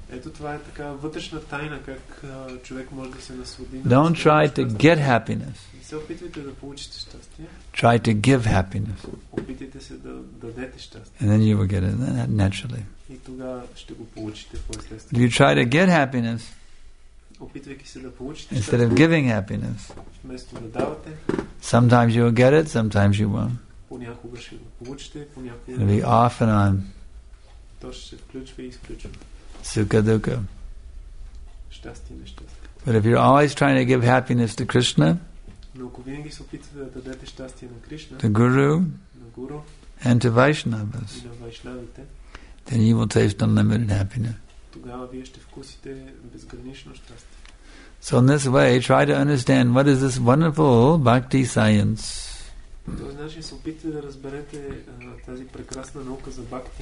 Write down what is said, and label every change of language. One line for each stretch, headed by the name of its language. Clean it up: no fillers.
Bulgarian: Ето това е така вътрешна тайна как човек може да се наслади.
English: Don't try to get happiness.
Bulgarian: Не се опитвайте да получите щастие.
English: Try to give happiness.
Bulgarian: Опитайте се да дадете щастие.
English: And then you will get it naturally.
Bulgarian: И тогава ще го получите по естествено.
English: If you try to get happiness,
Bulgarian: опитвайки се да получите
English: щастие, instead of giving happiness,
Bulgarian: вместо да давате,
English: sometimes you will get it, sometimes you won't.
Bulgarian: Понякога ще го получите, понякога.
English: It'll be off and on.
Bulgarian: То ще се включва и изключва.
Sanskrit: Sukha-dukha.
Bulgarian: Щастие и нещастие.
English: But if you're always trying to give happiness to Krishna,
Bulgarian: но ако винаги се опитвате да дадете щастие на Кришна,
English: to Guru,
Bulgarian: на Гуру,
English: and to Vaishnavas,
Bulgarian: и на Вайшнавите,
English: then you will taste unlimited happiness.
Bulgarian: Тогава вие ще вкусите безгранично щастие.
English: So in this way, try to understand what is this wonderful bhakti science.
Bulgarian: Този начин се опитвате да разберете тази прекрасна наука за бхакти.